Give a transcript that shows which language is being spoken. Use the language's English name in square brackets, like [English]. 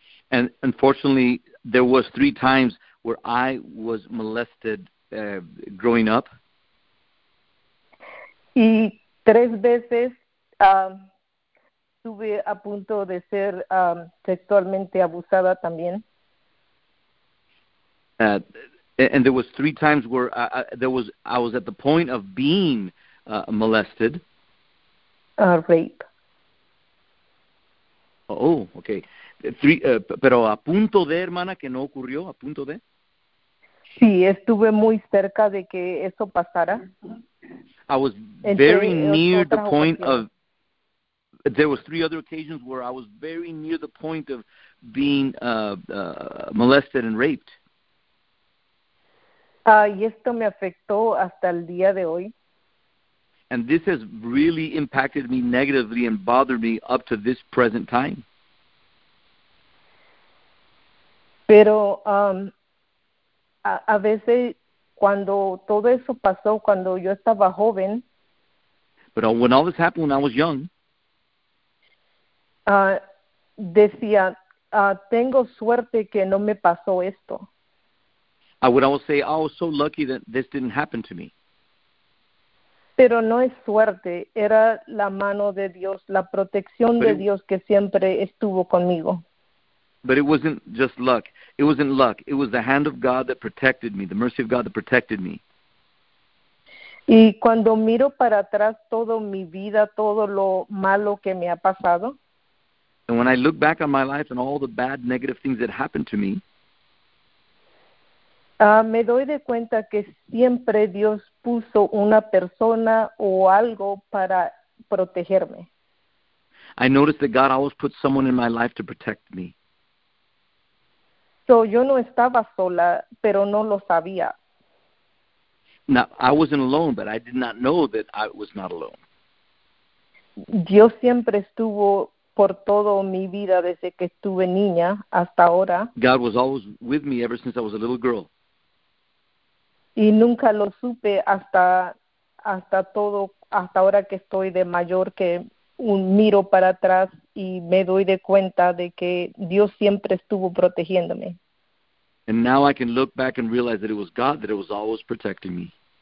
[English] And unfortunately, there was 3 times where I was molested growing up. [Spanish] Y tres veces estuve a punto de ser sexualmente abusada también. [English] And there was 3 times where I was at the point of being molested. Rape. Oh, okay. [Spanish] Pero a punto de, hermana, que no ocurrió, a punto de. Sí, estuve muy cerca de que eso pasara. [English] I was very [Spanish] Entre [English] near the [Spanish] otras [English] point [Spanish] ocasiones. [English] of. There was 3 other occasions where I was very near the point of being molested and raped. [Spanish] Y esto me afectó hasta el día de hoy. [English] And this has really impacted me negatively and bothered me up to this present time. [Spanish] Pero a veces cuando todo eso pasó, cuando yo estaba joven, [English] But when all this happened when I was young, [Spanish] decía, tengo suerte que no me pasó esto. [English] I would always say, oh, I was so lucky that this didn't happen to me. [Spanish] Pero no es suerte, era la mano de Dios, la protección de Dios que siempre estuvo conmigo. [English] But it wasn't just luck. It wasn't luck. It was the hand of God that protected me, the mercy of God that protected me. [Spanish] Y cuando miro para atrás toda mi vida, todo lo malo que me ha pasado, [English] And when I look back on my life and all the bad, negative things that happened to me, [Spanish] me doy de cuenta que siempre Dios puso una persona o algo para protegerme. [English] I noticed that God always put someone in my life to protect me. [Spanish] So yo no estaba sola, pero no lo sabía. [English] Now, I wasn't alone, but I did not know that I was not alone. [Spanish] Dios siempre estuvo por toda mi vida desde que estuve niña hasta ahora. [English] God was always with me ever since I was a little girl. [Spanish] Y nunca lo supe hasta ahora que estoy de mayor, que miro para atrás y me doy de cuenta de que Dios siempre estuvo protegiéndome. [English] And now I can look back and realize that it was God that it was always protecting me.